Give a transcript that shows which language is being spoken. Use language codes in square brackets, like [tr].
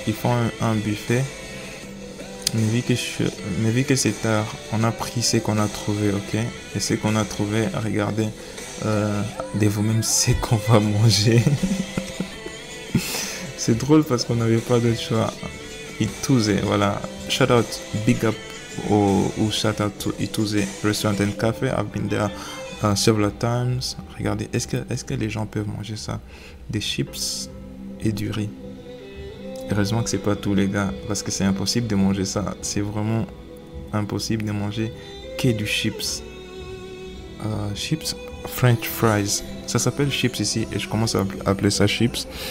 [fr] Ils font un buffet. Mais vu que c'est tard, on a pris ce qu'on a trouvé, ok? Et ce qu'on a trouvé, regardez, de vous-même, ce qu'on va manger. C'est drôle parce qu'on n'avait pas d'autre choix. Itouze, voilà. [en] Shout out, big up, ou shout out to Itouze Restaurant and Cafe. I've been there several times. [fr] Regardez, est-ce que les gens peuvent manger ça? Des chips et du riz. Heureusement que c'est pas tout, les gars, parce que c'est impossible de manger ça. C'est vraiment impossible de manger que du chips. Chips, French fries. Ça s'appelle chips ici et je commence à appeler ça chips.